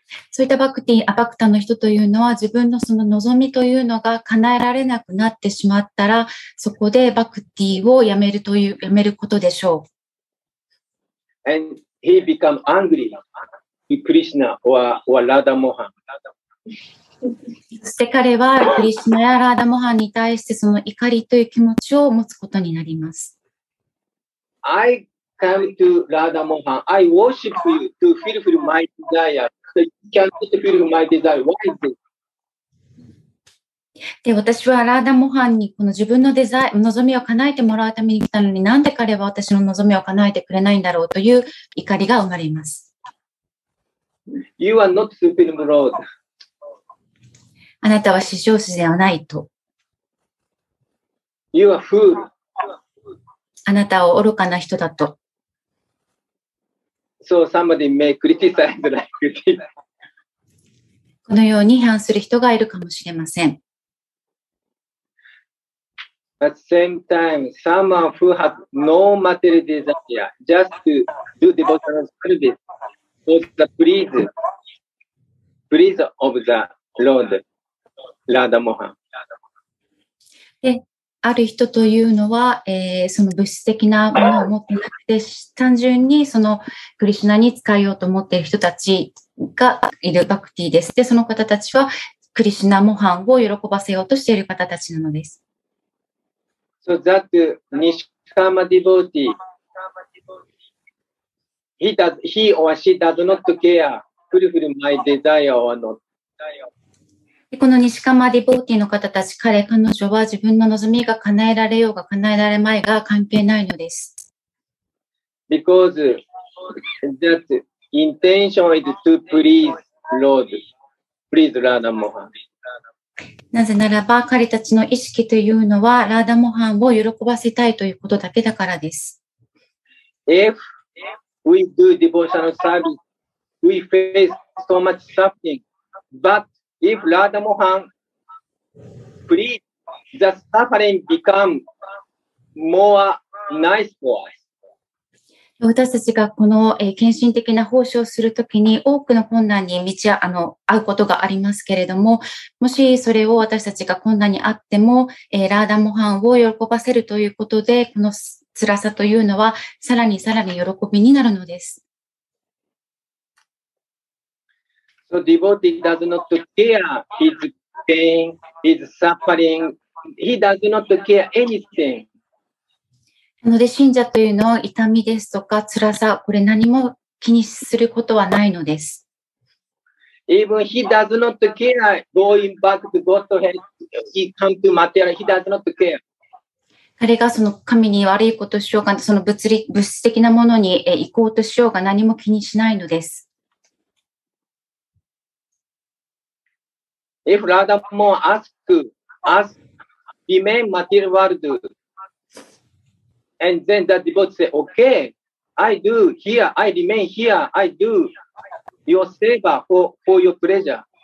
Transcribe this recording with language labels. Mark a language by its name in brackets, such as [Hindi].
[Japanese] そういったバクティ、アバクタの人というのは、自分のその望みというのが叶えられなくなってしまったら、そこでバクティをやめるという、やめることでしょう。 [English] And he become angry to Krishna or Radha Mohan. [Japanese] そして彼はクリシュナやラーダモハンに対してその怒りという気持ちを持つことになります。 [English] I come to Radha Mohan. I worship you to fulfill my desire. So you cannot fulfill my desire. Why is this? [Japanese] で、私はラーダモハンにこの自分のデザイン、望みを叶えてもらうために来たのに、なんで彼は私の望みを叶えてくれないんだろうという怒りが生まれます。 [English] You are not Supreme Lord. [Japanese] あなたは至上主ではないと。 [English] You are fool. [Japanese] あなたは愚かな人だと。 [English] So somebody may criticize like this. [Japanese] このように批判する人がいるかもしれません。 [English] At the same time, someone who has no material desire just to do devotional service was the pleaser of the Lord, Radha Mohan. [Japanese] ある人というのは、その物質的なものを持っていなくて、単純にそのクリシナに使いようと思っている人たちがいるバクティです。で、その方たちはクリシナ・モハンを喜ばせようとしている方たちなのです。 [English] So that Nishkama devotee, he or she does not care fulfill my desire or not. [Japanese] この西釜ディボーティの方たち、彼、彼女は自分の望みが叶えられようが叶えられまいが関係ないのです。 [English] Because that intention is to please Lord. Please, Radha Mohan. [Japanese] なぜならば、彼たちの意識というのは、ラーダモハンを喜ばせたいということだけだからです。 [English] If we do devotional service, we face so much suffering, but If Radha Mohan please, the suffering become more nice for us. [Japanese] 私たちがこの、献身的な奉仕をするときに多くの困難に会うことがありますけれども、もしそれを私たちが困難にあっても、ラーダモハンを喜ばせるということで、この辛さというのはさらにさらに喜びになるのです。 [English] So devotee does not care his pain, his suffering. He does not care anything. [Japanese] なので信者というのは痛みですとか辛さ、これ何も気にすることはないのです。 [English] Even he does not care going back to Godhead, he come to material, he does not care. [Japanese] 彼がその神に悪いことしようか、その物質的なものに行こうとしようが何も気にしないのです。 [English] If Radha Mohan asks, remain material world, and then the devotee say, okay, I do here, I remain here, I do your seva for your pleasure.